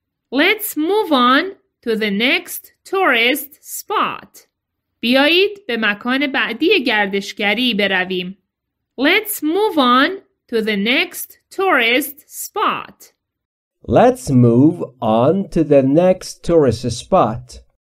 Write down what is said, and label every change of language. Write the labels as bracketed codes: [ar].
[en] Let's move on to the next tourist spot. [fa] بیایید به مکان بعدی گردشگری برویم. [en] Let's move on to the next tourist spot. Let's move on to the next tourist spot.